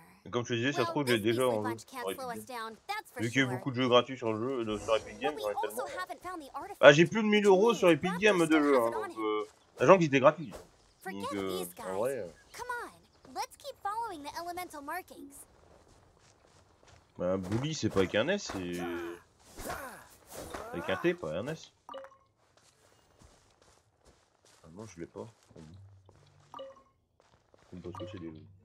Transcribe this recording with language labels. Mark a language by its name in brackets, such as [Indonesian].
[French] Comme je te disais, ça se trouve, j'ai déjà en jeu. Vu qu'il y a eu beaucoup de jeux gratuits sur le jeu, sur Epic Games, j'en ai tellement. Ah, j'ai plus de 1000 euros sur Epic Games de jeu, hein, donc. Sachant qu'ils étaient gratuits. Donc, en vrai. [English] Come on, let's keep following the elemental markings. [French] Bah, Bully, c'est pas avec un S, c'est. Avec un T, pas un S. Ah non, je l'ai pas. Je sais pas ce que c'est des.